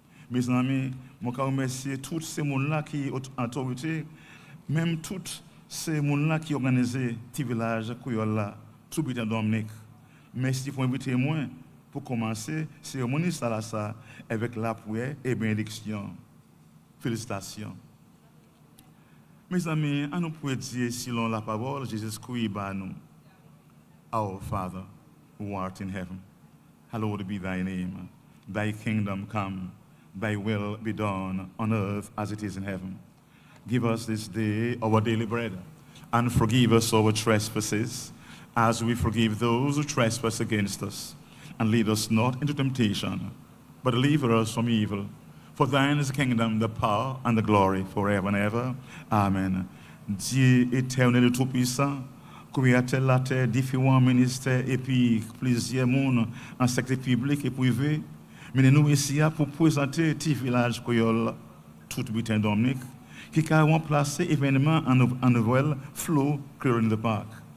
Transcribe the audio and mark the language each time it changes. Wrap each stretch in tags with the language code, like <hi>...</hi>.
<acf>Mes amis, mon ka remercier tout ces moun la qui autorité même tout ces moun la qui organisé ti village Kweyol la Troubite Dominique. Merci pour inviter moi. Pour commencer, cérémonie Salassa avec la prière et bénédiction. Félicitations. Mes amis, à nous prier Dieu selon la parole, Jésus-Christ, bah nous.</acf> <en>Our Father, who art in heaven, hallowed be thy name. Thy kingdom come, thy will be done on earth as it is in heaven. Give us this day our daily bread, and forgive us our trespasses, as we forgive those who trespass against us. And lead us not into temptation, but deliver us from evil. For thine is the kingdom, the power, and the glory, forever and ever. Amen.</en> <acf>Dieu éternel et tout puissant, créateur la terre, différents ministères, et puis plusieurs mondes, en secteur public et privé, menez-nous ici pour présenter ce village Kweyol, tout butin Dominique, qui a remplacé événement en nouvelle flow</acf> <en>clearing the park.</en>